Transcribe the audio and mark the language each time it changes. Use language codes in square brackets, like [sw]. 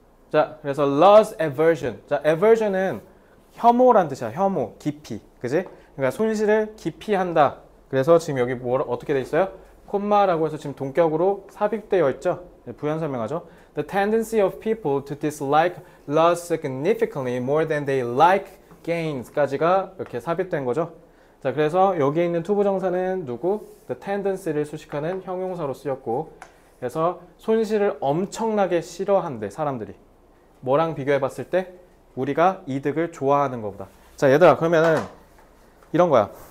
[ko] 자 그래서 loss aversion. 자 aversion은 혐오란 뜻이야. 혐오 기피. 그지? 그러니까 손실을 기피한다. 그래서 지금 여기 어떻게 돼 있어요? 콤마라고 해서 지금 동격으로 삽입되어 있죠. 부연 설명하죠. [en] The tendency of people to dislike loss significantly more than they like gains [ko] 까지가 이렇게 삽입된 거죠. 자, 그래서 여기에 있는 투부정사는 누구? The tendency를 수식하는 형용사로 쓰였고, 그래서 손실을 엄청나게 싫어한대 사람들이. 뭐랑 비교해봤을 때 우리가 이득을 좋아하는 것보다. 자, 얘들아, 그러면은 이런 거야.